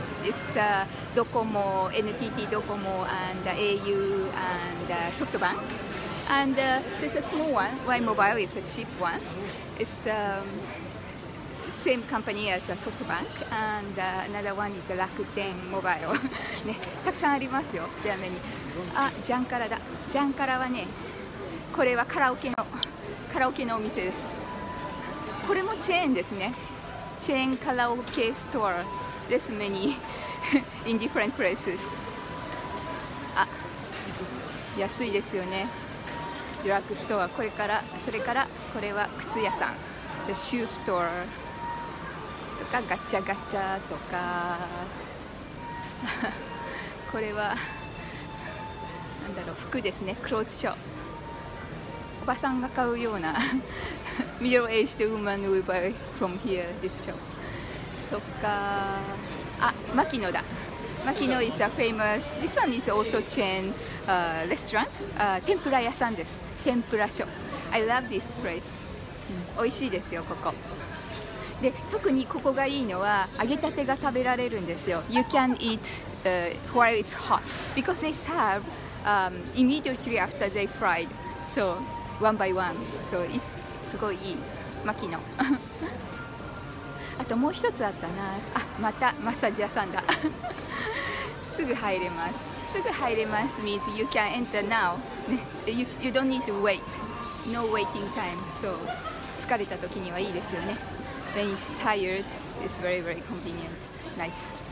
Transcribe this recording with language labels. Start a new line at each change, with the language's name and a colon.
English: It's Docomo, NTT Docomo, and AU and SoftBank. And there's a small one. Y Mobile is a cheap one. It's same company as SoftBank, and another one is Rakuten Mobile.
Japanese: ね、たくさんありますよ。ではめに。あ、ジャンカラだ。ジャンカラはね、これはカラオケのお店です。これもチェーンですね。チェーンカラオケストア。
English: There's many in different places.
Japanese: あ、安いですよね。
English: ドラッグストア。
Japanese: これから、それからこれは靴屋さん。
English: The shoe store
Japanese: とかガチャガチャとか。これは。なんだろう、服ですね、クローズショップ。おばさんが買うような。
English: Middle aged woman will buy from here, this shop. とか、あ、マキノだ。マキノ is a famous, this one is also chain restaurant,
Japanese: 天ぷら屋さんです。
English: 天ぷらショップ。I love this place.
Japanese: 美味しいですよ、ここ。で、特にここがいいのは、揚げたてが食べられるんですよ。
English: You can eat while it's hot, because they serveimmediately after they fried, so one by one, so it's
Japanese: すごいいい牧野。あともう一つあったな。あ、またマッサージ屋さんだ。すぐ入れます。すぐ入れます。
English: means you can enter now. you don't need to wait. No waiting time.
Japanese: So 疲れた時にはいいですよね。
English: When it's tired, it's very very convenient. Nice.